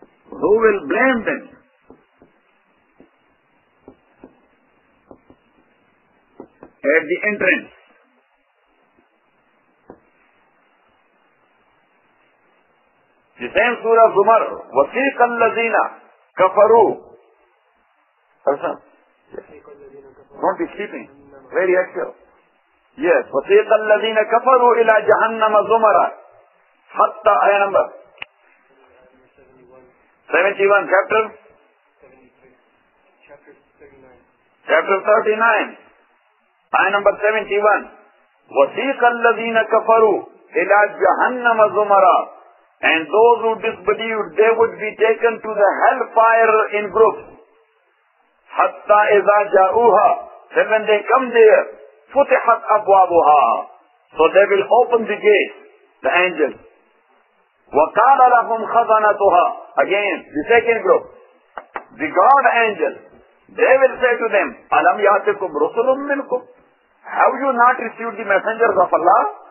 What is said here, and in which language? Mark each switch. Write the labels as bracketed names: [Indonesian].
[English] who will blame them at the entrance the same surah Zumar [Arabic] وَسِيقَ الَّذِينَ كَفَرُوا [English] Understand? Don't be sleeping. Very active. Yes. [Arabic] وَسِيقَ الَّذِينَ كَفَرُوا إِلَى جَهَنَّمَ زُمَرًا حَتَّى [English] ayah number 71 chapter 73. chapter 39 ayah number 71 [Arabic] وَسِيقَ الَّذِينَ كَفَرُوا إِلَى جَهَنَّمَ زُمَرًا [English] and those who disbelieved they would be taken to the hellfire in groups [Arabic] حَتَّى إِذَا جَاءُوهَا [English] then when they come there [Arabic] فُتِحَتْ أَبْوَابُهَا [English] so they will open the gate the angel [Arabic] وَقَالَ لَهُمْ خَزَنَتُهَا [English] again the second group the God angel they will say to them [Arabic] أَلَمْ يَأْتِكُمْ رُسُلٌ مِّنْكُمْ [English] have you not received the messengers of Allah